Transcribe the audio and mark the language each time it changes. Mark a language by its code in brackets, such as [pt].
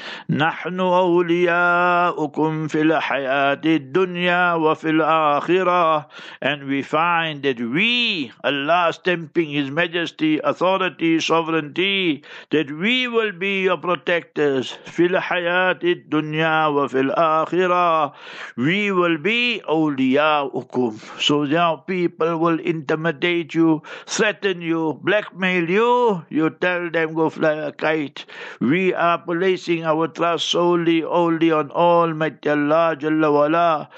[ar] نحن أولياؤكم في الحياة الدنيا وفي الآخرة. [en] And we find that we, Allah stamping His Majesty, authority, sovereignty, that we will be your protectors. [ar] في الحياة الدنيا وفي الآخرة. [en] We will be أولياؤكم. So now people will intimidate you, threaten you, blackmail you. You tell them, go fly a kite. We are placing our trust solely on Almighty Allah Jalla Wala.